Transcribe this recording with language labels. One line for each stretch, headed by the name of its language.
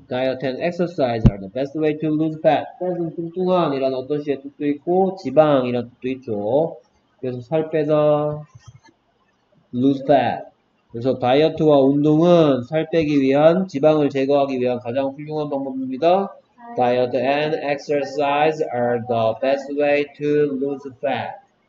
English: Diet and exercise are the best way to lose fat.
Korean: Fat은 뚱뚱한 이란 어떤 시의 뜻도 있고 지방이란 뜻도 있죠. 그래서 살 빼다 lose fat. 그래서 다이어트와 운동은 살 빼기 위한 지방을 제거하기 위한 가장 훌륭한 방법입니다.
English: Diet and exercise are the best way to lose fat.